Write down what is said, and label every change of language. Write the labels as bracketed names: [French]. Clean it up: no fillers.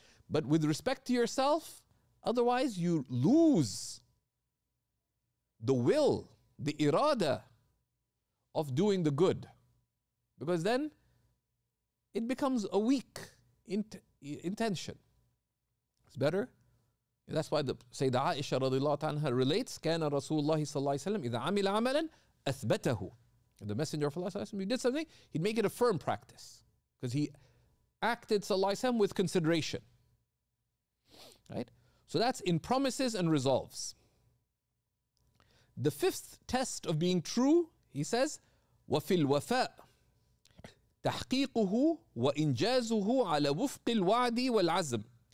[English] But with respect to yourself, otherwise you lose the will, the irada of doing the good. Because then it becomes a weak intention. It's better. That's why the Sayyidah Aisha radiallahu anha relates, [Arabic] كَانَ رَسُولُ اللَّهِ صَلَّى اللَّهِ سَلَّمْ إِذَا عَمِلَ عَمَلًا أَثْبَتَهُ. [English] The Messenger of Allah sallallahu alayhi wa sallam, he did something, he'd make it a firm practice. Because he acted sallallahu alayhi wa sallam with consideration. Right? So that's in promises and resolves. The fifth test of being true, he says, [Arabic] وَفِي الْوَفَاءِ تَحْقِيقُهُ وَإِنْجَازُهُ عَلَى وُفْقِ الْوَعْدِ وَالْعَزْمِ.